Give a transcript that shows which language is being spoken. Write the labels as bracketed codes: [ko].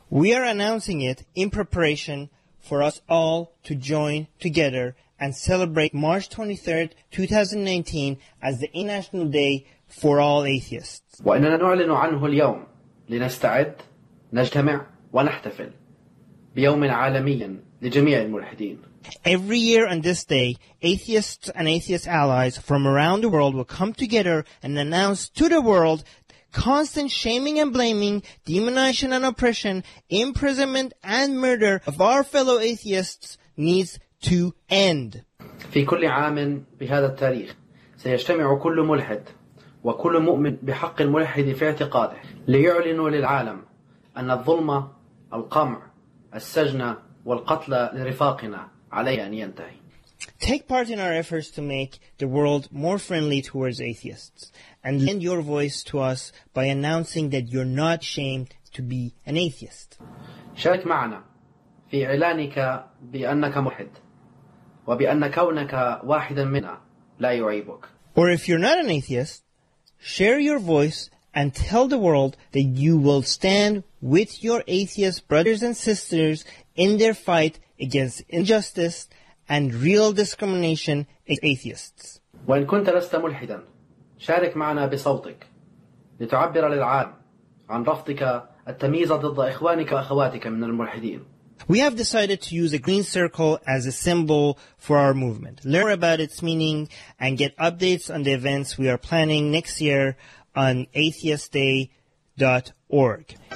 [en] We are announcing it in preparation for us all to join together and celebrate March 23rd, 2019 as the International Day for All Atheists. [ar] وإننا نعلن عنه اليوم لنستعد نجتمع ونحتفل بيوم عالمي لجميع الملحدين. [en] Every year on this day, atheists and atheist allies from around the world will come together and announce to the world constant shaming and blaming, demonization and oppression, imprisonment and murder of our fellow atheists needs to end. [ar] في كل عام بهذا التاريخ سيجتمع كل ملحد وكل مؤمن بحق الملحد في اعتقاده ليعلنوا للعالم أن الظلم، القمع، السجن والقتل لرفاقنا عليه أن ينتهي. [en] Take part in our efforts to make the world more friendly towards atheists and lend your voice to us by announcing that you're not ashamed to be an atheist. [ar] شارك معنا في إعلانك بأنك ملحد وبأن كونك واحدا منا لا يعيبك. [en] Or if you're not an atheist, share your voice and tell the world that you will stand with your atheist brothers and sisters in their fight against injustice and real discrimination against atheists. [ar] وإن كنت لست ملحدا شارك معنا بصوتك لتعبر للعالم عن رفضك التمييز ضد إخوانك وأخواتك من الملحدين. [en] We have decided to use a green circle as a symbol for our movement. Learn about its meaning and get updates on the events we are planning next year on atheistday.org.